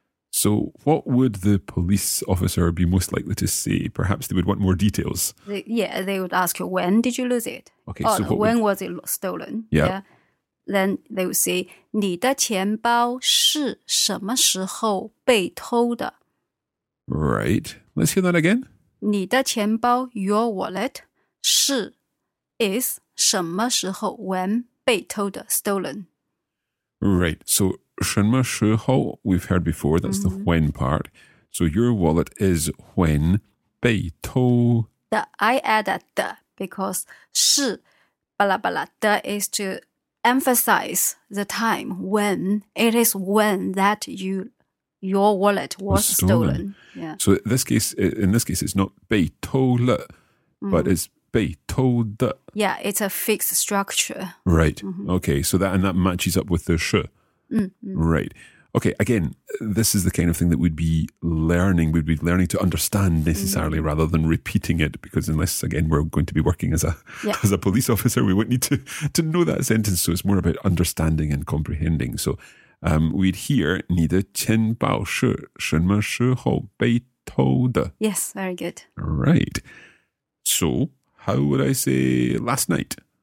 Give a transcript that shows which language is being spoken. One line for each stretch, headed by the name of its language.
English: So what would the police officer be most likely to say? Perhaps they would want more details. They would ask you, when did you lose it? Okay, or so what when would, was it stolen? Yeah. Then they would say,
Chinese: 你的钱包是什么时候被偷的?
English: Right. Let's hear that again. 你的钱包, your wallet, 是, is, 什么时候, when? Stolen. Right. So, 什么时候, we've heard before, that's the when part. So, your wallet is when 被偷的. I add a 的 because 是, blah, blah, 的 is to emphasize the time when, it is when that you, your wallet was stolen. Yeah. So, in this case, it's not 被偷了, but it's 被偷的. Yeah, it's a fixed structure. Right. Mm-hmm. Okay, so that matches up with the 是. Mm-hmm. Right. Okay, again, this is the kind of thing that we'd be learning to understand necessarily rather than repeating it, because unless, again, we're going to be working as a police officer, we wouldn't need to know that sentence. So it's more about understanding and comprehending. So we'd hear
Chinese: 你的钱包是什么时候被偷的?
English: Yes, very good. Right. So, how would I say last night?